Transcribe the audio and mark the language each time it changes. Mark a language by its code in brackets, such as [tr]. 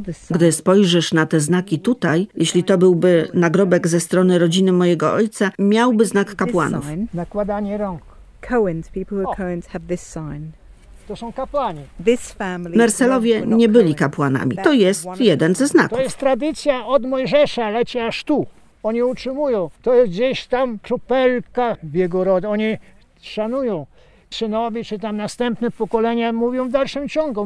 [pl] Gdy spojrzysz na te znaki tutaj, jeśli to byłby nagrobek ze strony rodziny mojego ojca, miałby znak kapłanów. Nakładanie rąk. [en] Cohens, people who are Cohens have this sign. [pl] To są kapłani. Merselowie nie byli kapłanami. To jest jeden ze znaków. To jest tradycja od Mojżesza, leci aż tu. Oni utrzymują. To jest gdzieś tam czupelka w jego rodzinie. Oni szanują. Synowie czy tam następne pokolenia mówią w dalszym ciągu.